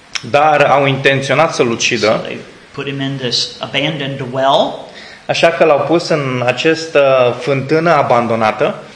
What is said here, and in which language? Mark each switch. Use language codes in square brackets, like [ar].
[ro] Dar au intenționat să-l ucidă. [en] So they put him in this abandoned well. [ro] Așa că l-au pus în această fântână abandonată.